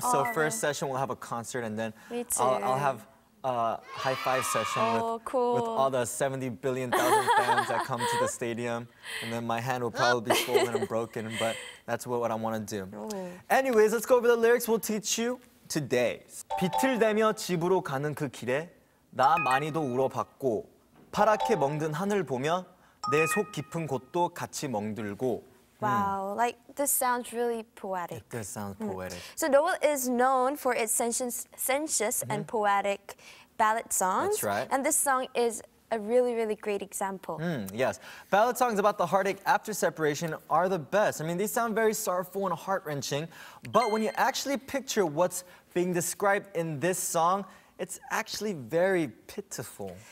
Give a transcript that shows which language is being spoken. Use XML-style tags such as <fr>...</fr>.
<en>Oh, so first session, we'll have a concert, and then I'll have a high five session with all the 70 billion thousand fans that come to the stadium. And then my hand will probably be swollen and broken, but that's what I want to do. Anyways, let's go over the lyrics we'll teach you today.</en> <ko>비틀대며 집으로 가는 그 길에 나 많이도 울어봤고 파랗게 멍든 하늘 보며 내 속 깊은 곳도 같이 멍들고.</ko> <en>Wow, like this sounds really poetic. It does sound poetic. So Noel is known for its sensuous and poetic ballad songs. That's right. And this song is a really, really great example. Yes. Ballad songs about the heartache after separation are the best. I mean, they sound very sorrowful and heart-wrenching, but when you actually picture what's being described in this song, it's actually very pitiful.</en>